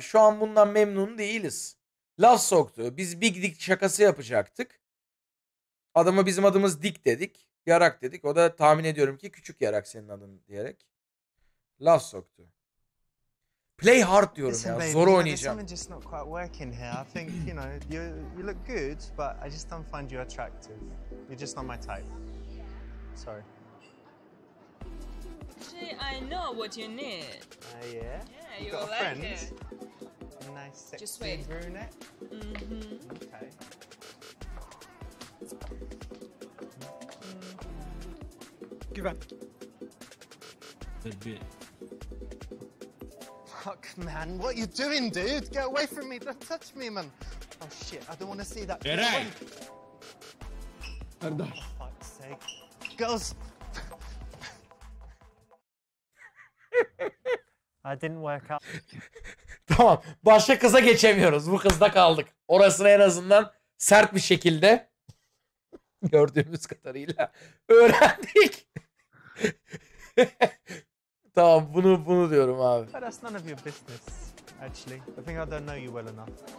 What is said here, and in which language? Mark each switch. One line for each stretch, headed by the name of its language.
Turkish: Şu an bundan memnun değiliz. Laf soktu. Biz Big Dick şakası yapacaktık. Adama bizim adımız Dick dedik. Yarak dedik. O da tahmin ediyorum ki küçük yarak senin adın diyerek. Laf soktu.
English: Play hard
Turkish: diyorum
English: Listen,
Turkish: ya.
English: Baby,
Turkish: zor oynayacağım.
English: Something just not quite working here. I think, you know, you look good, but I just don't find you attractive. You're just not my type. Sorry. I know what you need. Yeah. You're like it. A nice sexy just wait. Brunette. Mm-hmm. Okay. Mm-hmm. Give up. Fuck, man. What are you doing, dude? Get away from me. Don't touch me, man. Oh, shit. I don't want to see that. Eray! Arda. For fuck's sake. Girls! I didn't work out.
Turkish: Tamam. Başka kıza geçemiyoruz. Bu kızda kaldık. Orasını en azından sert bir şekilde gördüğümüz kadarıyla öğrendik. Tamam, bunu diyorum abi.
English: That's none of your business actually. I think I don't know you well enough.